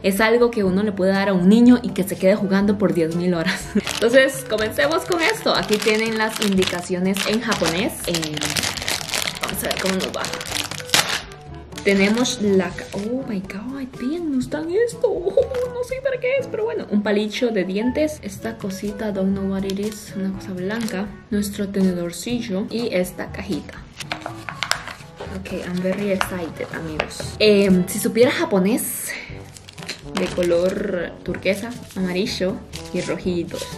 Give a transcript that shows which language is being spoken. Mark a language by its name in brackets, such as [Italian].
[Spanish] Es algo que uno le puede dar a un niño y que se quede jugando por 10.000 horas. Entonces comencemos con esto. Aquí tienen las indicaciones en japonés. Vamos a ver cómo nos va. Tenemos la... [English] Oh my god, [Spanish] bien, no están esto. No sé para qué es, pero bueno. Un palillo de dientes. Esta cosita, [English] don't know what it is. [Spanish] Una cosa blanca. Nuestro tenedorcillo. Y esta cajita. Ok, [English] I'm very excited, [Spanish] amigos. Si supiera japonés, de color turquesa, amarillo y rojito.